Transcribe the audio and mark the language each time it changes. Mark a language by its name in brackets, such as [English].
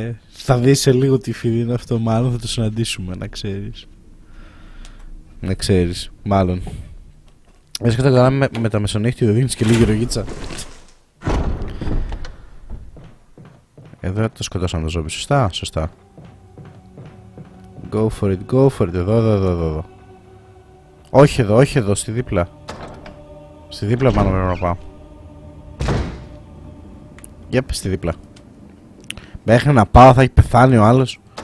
[Greek] θα δεις σε λίγο τι φίδι είναι αυτό, μάλλον θα το συναντήσουμε, να ξέρεις. Να ξέρεις, μάλλον. Βέβαια και τα καλά με τα μεσονύχτια, δίνεις και λίγη ρογίτσα. Εδώ το σκοτώσαμε το ζόμπι, σωστά, σωστά. [English] Go for it, go for it, [Greek] εδώ. Όχι εδώ, στη δίπλα. Στη δίπλα πάνω πρέπει να πάω. Yep, στη δίπλα. Μέχρι να πάω θα έχει πεθάνει ο άλλος.